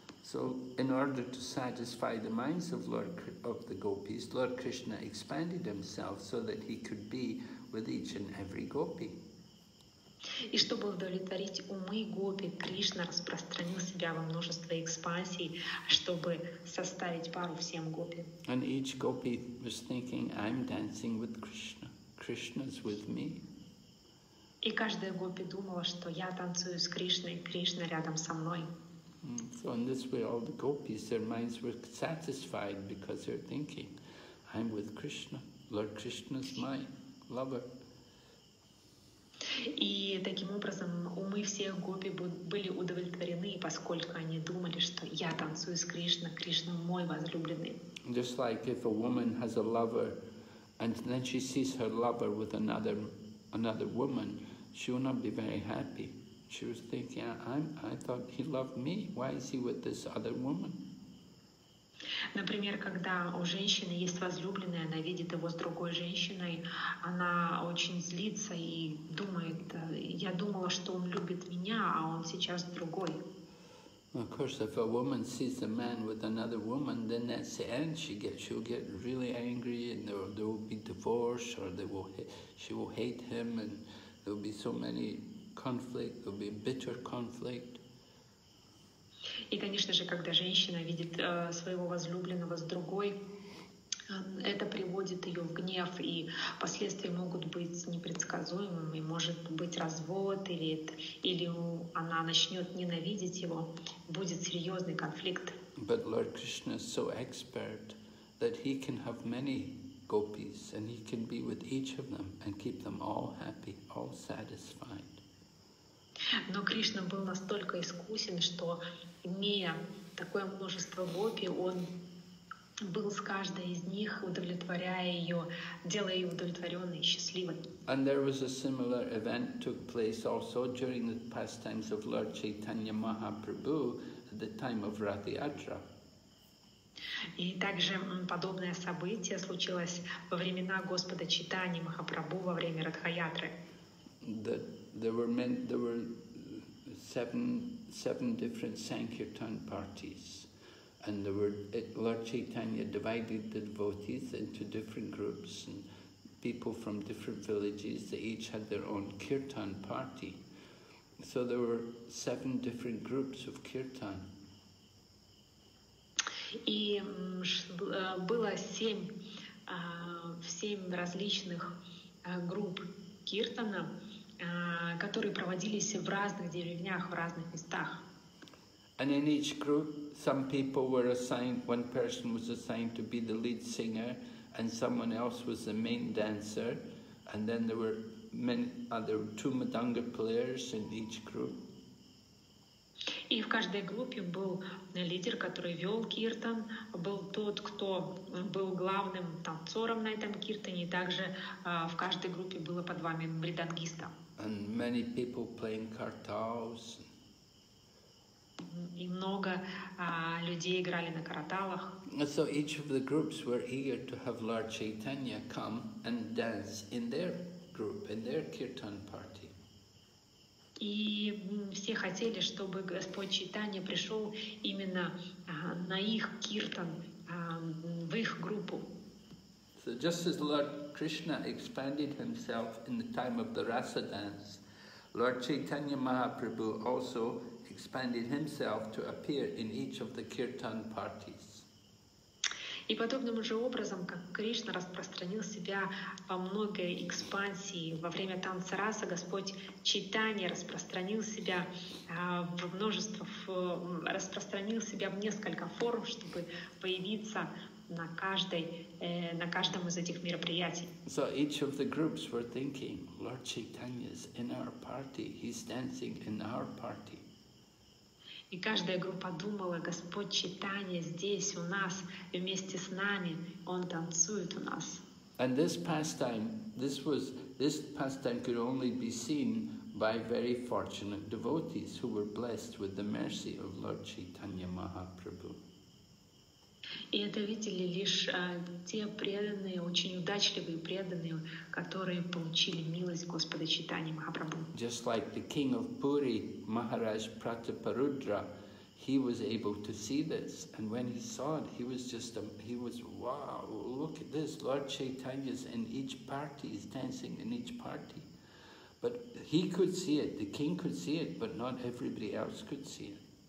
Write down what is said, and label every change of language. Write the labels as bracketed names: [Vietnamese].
[English] So in order to satisfy the minds of the gopis, Lord Krishna expanded himself so that he could be with each and every gopi. [Russian] И чтобы удовлетворить умы гопи, Кришна распространил себя во множество экспансий, чтобы составить пару всем гопи. [English] And each gopi was thinking, I'm dancing with Krishna. Krishna's with me. [Russian] И каждая гопи думала, что я танцую с Кришной, Кришна рядом со мной. [English] So in this way, all the gopis, their minds were satisfied because they're thinking, I'm with Krishna. Lord Krishna's my lover. [Russian] И таким образом умы всех гопи были удовлетворены, поскольку они думали, что я танцую с Кришной, Кришна мой возлюбленный. [English] Just like if a woman has a lover, and then she sees her lover with another woman, she will not be very happy. She was thinking, I thought he loved me. Why is he with this other woman? [Russian] Например, когда у женщины есть возлюбленный, она видит его с другой женщиной, она очень злится и думает, я думала, что он любит меня, а он сейчас другой. [English] Of course, if a woman sees a man with another woman, then that's the end. She'll get really angry, and there will be divorce, or she will hate him, and there will be so many conflict, there will be bitter conflict. [Russian] И, конечно же, когда женщина видит своего возлюбленного с другой, это приводит ее в гнев, и последствия могут быть непредсказуемыми, может быть развод, или она начнет ненавидеть его, будет серьезный конфликт. [English] But Lord Krishna is so expert that he can have many gopis, and he can be with each of them and keep them all happy, all satisfied. [Russian] Но Кришна был настолько искусен, что, имея такое множество гопи, он был с каждой из них, удовлетворяя ее, делая ее удовлетворенной и счастливой. [English] And there was a similar event took place also during the pastimes of Lord Chaitanya Mahaprabhu at the time of Rath Yatra. [Russian] И также подобное событие случилось во времена Господа Чайтаньи Махапрабху во время Радха-Ятры. [English] There were seven different Sankirtan parties, and Lord Chaitanya divided the devotees into different groups, and people from different villages, they each had their own Kirtan party. So there were seven different groups of kirtan. [Russian] И было семь, семь различных групп киртана, которые проводились в разных деревнях, в разных местах. [English] And in each group, some people were assigned, one person was assigned to be the lead singer, and someone else was the main dancer, and then there were many other two madanga players in each group. [Russian] И в каждой группе был лидер, который вел киртан, был тот, кто был главным танцором на этом киртане, и также в каждой группе было по два мридангиста. [English] And many people playing картаус. [Russian] И много людей играли на караталах. [English] So each of the groups were eager to have Lord Chaitanya come and dance in their group, in their kirtan party. [Russian] И все хотели, чтобы Господь Чайтанья пришел именно на их киртан, в их группу. [English] So just as Lord Krishna expanded himself in the time of the rasa dance, Lord Chaitanya Mahaprabhu also expanded himself to appear in each of the kirtan parties. [Russian] И подобным же образом, как Кришна распространил себя во многой экспансии во время танца раса, Господь Чайтанья распространил себя в множество, распространил себя в несколько форм, чтобы появиться на каждой, на каждом из этих мероприятий. [English] So each of the groups were thinking, Lord Chaitanya is in our party, he's dancing in our party. [Russian] И каждая группа думала, Господь Чайтанья здесь у нас, вместе с нами, Он танцует у нас. [English] And this pastime could only be seen by very fortunate devotees who were blessed with the mercy of Lord Chaitanya Mahaprabhu. [Russian] И это видели лишь те преданные, очень удачливые преданные, которые получили милость Господа Чайтаньи Махапрабху. [English] Just like the king of Puri, Maharaj Prataparudra, he was able to see this, and when he saw it, he was wow, look at this, Lord Chaitanya is in each party, he's dancing in each party. But he could see it, the king could see it, but not everybody else could see it.